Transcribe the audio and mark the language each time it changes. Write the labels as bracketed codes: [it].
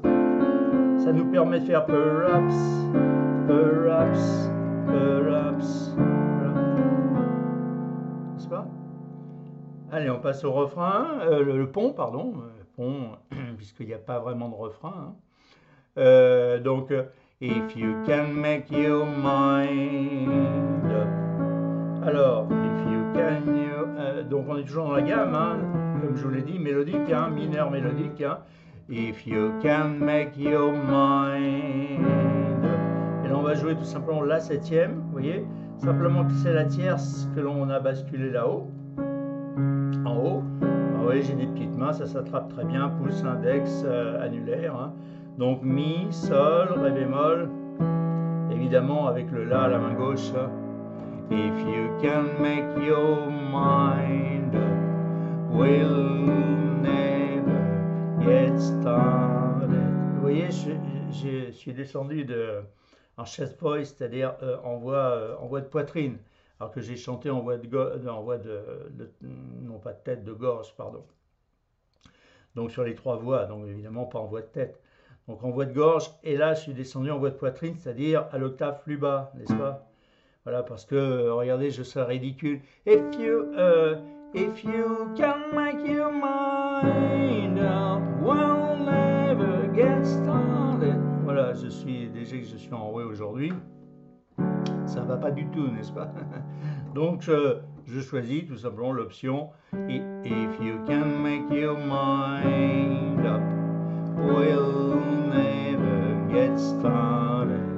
[fr] Ça nous permet de faire [en] perhaps, perhaps, perhaps. [fr] N'est-ce pas? Allez, on passe au refrain, le pont, pardon. Pont, puisqu'il n'y a pas vraiment de refrain. Hein. [en] Donc, if you can make your mind up. Alors, if you can you. [fr] Donc, on est toujours dans la gamme, hein, comme je vous l'ai dit, mélodique, hein, mineur mélodique. Hein. [en] If you can make your mind up. [fr] Et là, on va jouer tout simplement la septième, vous voyez. Simplement que c'est la tierce que l'on a basculé là-haut. En haut. Vous voyez, j'ai des petites mains, ça s'attrape très bien. Pouce, index, annulaire. Hein. Donc, mi, sol, ré bémol. Évidemment, avec le la à la main gauche. [en] If you can make your mind up, we'll never get started. [fr] Vous voyez, je suis descendu de, en chest voice, c'est-à-dire en voix de poitrine, alors que j'ai chanté en voix de, non pas de tête, de gorge, pardon. Donc sur les trois voix, donc évidemment pas en voix de tête. Donc en voix de gorge, et là je suis descendu en voix de poitrine, c'est-à-dire à l'octave plus bas, n'est-ce pas? Voilà, parce que, regardez, je serais ridicule. [en] If you can make your mind up, we'll never get started. [fr] Voilà, je suis, déjà que je suis enroué aujourd'hui, ça ne va pas du tout, n'est-ce pas? Donc, je choisis tout simplement l'option. [en] If you can make your mind up, we'll never get started.